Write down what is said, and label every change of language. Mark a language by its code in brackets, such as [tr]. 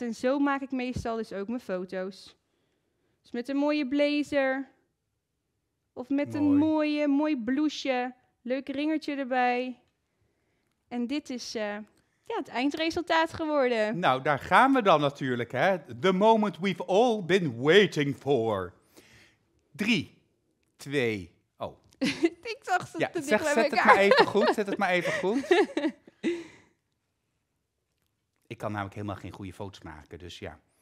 [nl] En zo maak ik meestal dus ook mijn foto's. Dus met een mooie blazer. Of met een mooi blouseje. Leuk ringertje erbij. En dit is het eindresultaat geworden. Nou, daar gaan we dan natuurlijk. Hè? [en] The moment we've all been waiting for. 3, 2, [nl] Ik zag ze ja, te dicht zeg, bij zet elkaar. Het maar even goed. Zet het maar even goed. Ik kan namelijk helemaal geen goede foto's maken, dus ja.